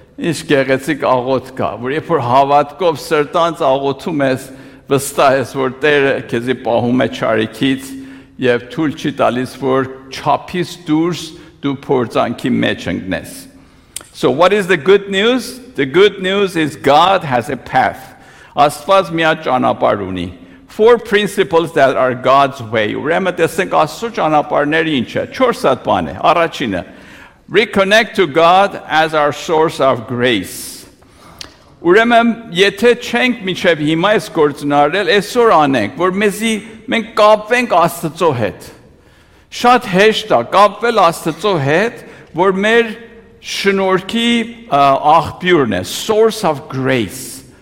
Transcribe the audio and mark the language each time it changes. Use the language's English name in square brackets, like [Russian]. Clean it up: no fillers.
[Armenian] Ինչ գեղեցիկ աղոթ կա, որ երբ որ հավատքով սրտանց աղոթում ես, վստահ ես, որ Տերը քեզի պահում է չարիքից և թույլ չի տալիս, որ չափից դուրս դու փորձանքի մեջ ընկնես։ [English] So what is the good news? The good news is God has a path. [Armenian] Աստված մի հատ ճանապարհ ունի. [English] Four principles that are God's way. [Armenian] Ուրեմն տեսնենք Աստծո ճանապարհները ինչը։ 4 հատ բան է։ Առաջինը. [English] Reconnect to God as our source of grace. [Armenian] Ուրեմն եթե չենք միշտ հիմա այս գործնարել, այսօր անենք, որ մեզի մենք կապվենք Աստծո հետ։ Շատ հեշտ է կապվել Աստծո հետ, որ մեր շնորհքի աղբյուրն է, [English] source of grace.